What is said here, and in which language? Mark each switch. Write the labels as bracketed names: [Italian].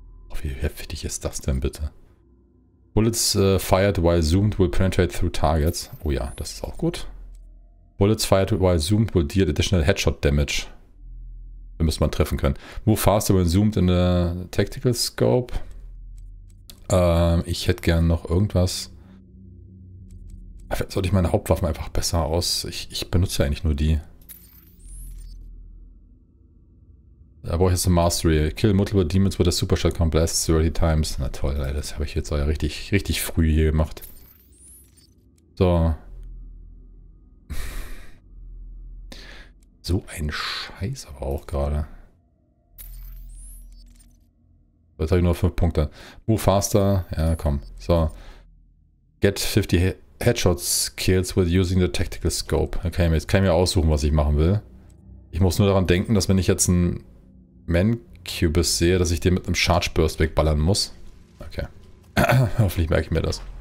[German] Oh, wie heftig ist das denn bitte? [English] Bullets fired while zoomed will penetrate through targets. [German] Oh ja, das ist auch gut. [English] Bullets fired while zoomed will deal additional headshot damage. [German] Da müsste man treffen können. [English] Move faster when zoomed in a tactical scope. [German] Ich hätte gern noch irgendwas. Vielleicht sollte ich meine Hauptwaffen einfach besser aus. Ich benutze ja eigentlich nur die. Da brauche ich jetzt eine Mastery. [English] Kill multiple demons with a super shotgun blast 30 times. [German] Na toll, das habe ich jetzt auch ja richtig, richtig früh hier gemacht. So. So ein Scheiß aber auch gerade. Jetzt habe ich nur 5 Punkte. [English] Move faster. [German] Ja, komm. So. [English] Get 50 Headshots kills with using the tactical scope. [German] Okay, jetzt kann ich mir aussuchen, was ich machen will. Ich muss nur daran denken, dass wenn ich jetzt ein Mancubus sehe, dass ich den mit einem Charge Burst wegballern muss. Okay. Hoffentlich merke ich mir das.